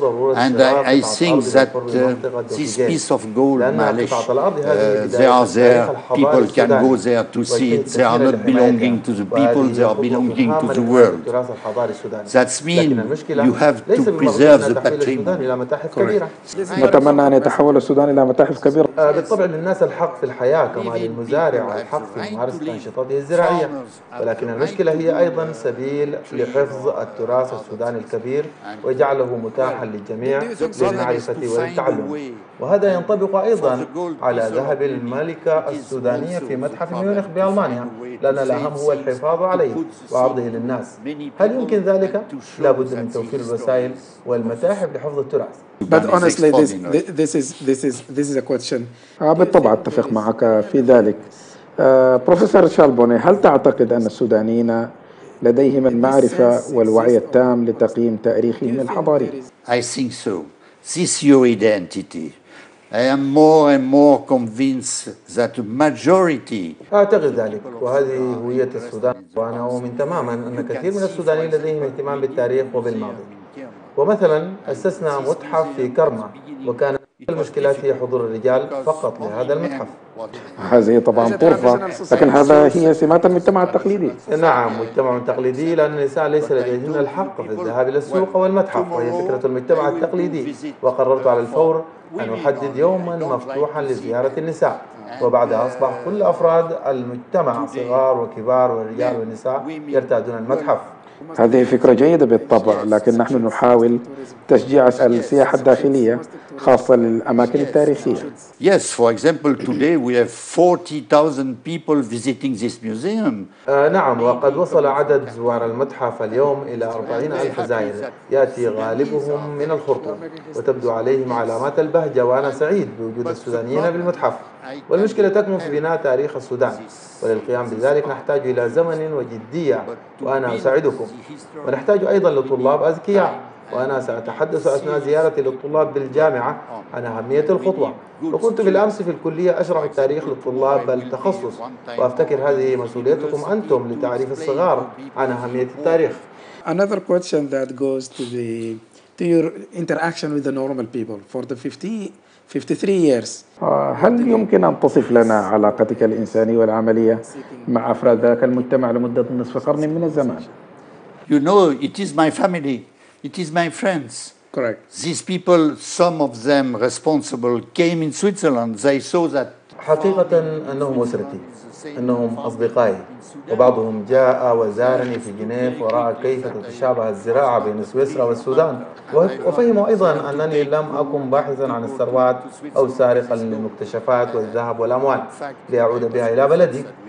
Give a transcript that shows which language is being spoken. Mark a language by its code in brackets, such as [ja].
[en] And I think that this piece of gold, Malish, they are there, people can go there to see it. They are not belonging to the people, they are belonging to the world. That means you have to preserve the patrimony. [ar] نتمنى أن يتحول السودان إلى متاحف كبيرة. بالطبع للناس الحق في الحياة كما للمزارع الحق في ممارسة أنشطته الزراعية، ولكن المشكلة هي أيضا سبيل لحفظ التراث السوداني الكبير وجعله متاحا للجميع للمعرفة والتعلم. وهذا ينطبق أيضا على ذهب الملكة السودانية في متحف ميونخ بألمانيا، لأن الأهم هو الحفاظ عليه وعرضه للناس. هل يمكن ذلك؟ لابد من توفير الوسائل والمتاحف لحفظ التراث. [en] But honestly, this is a question. [ar] بالطبع أتفق معك في ذلك. بروفيسور شالبوني، هل تعتقد أن السودانيين لديهم المعرفة والوعي التام لتقييم تاريخهم الحضاري؟ [en] I think so. This is your identity. I am more and more convinced that majority. [ar] أعتقد ذلك، وهذه هوية السودان، وأنا أؤمن تماماً أن كثير من السودانيين لديهم اهتمام بالتاريخ وبالماضي. ومثلا أسسنا متحف في كرما، وكان المشكلات هي حضور الرجال فقط لهذا المتحف. هذه طبعا طرفة، لكن هذا هي سمات المجتمع التقليدي. نعم، مجتمع تقليدي، لأن النساء ليس لديهن الحق في الذهاب إلى السوق والمتحف، وهي فكرة المجتمع التقليدي. وقررت على الفور أن أحدد يوما مفتوحا لزيارة النساء، وبعدها أصبح كل أفراد المجتمع صغار وكبار والرجال والنساء يرتادون المتحف. هذه فكرة جيدة بالطبع، لكن نحن نحاول تشجيع السياحة الداخلية خاصة للأماكن التاريخية. [en] Yes, for example, today we have 40,000 people visiting this museum. [ar] نعم، وقد وصل عدد زوار المتحف اليوم إلى 40,000 زائر، يأتي غالبهم من الخرطوم، وتبدو عليهم علامات البهجة، وأنا سعيد بوجود السودانيين في المتحف. والمشكلة تكمن في بناء تاريخ السودان، وللقيام بذلك نحتاج إلى زمن وجدية، وأنا أساعدكم. ونحتاج أيضا لطلاب أذكياء، وأنا سأتحدث أثناء زيارتي للطلاب بالجامعة عن أهمية الخطوة. وكنت بالأمس في الكلية أشرح التاريخ للطلاب بالتخصص، وأفتكر هذه مسؤوليتكم أنتم لتعريف الصغار عن أهمية التاريخ. [en] another question that goes to the to your interaction with the normal people for the 53 years. [ar] هل يمكن أن تصف لنا علاقتك الإنسانية والعملية مع أفراد ذلك المجتمع لمدة نصف قرن من الزمان؟ [en] You know, it is my family. It is my friends. Correct. These people, some of them responsible, came in Switzerland. They saw that. [ar] حقيقة أنهم أسرتي، أنهم أصدقائي، وبعضهم جاء وزارني في جنيف ورأى كيف تتشابه الزراعة بين سويسرا والسودان، وفهموا أيضا أنني لم أكن باحثا عن الثروات أو سارقا للمكتشفات والذهب والأموال لأعود بها إلى بلدي.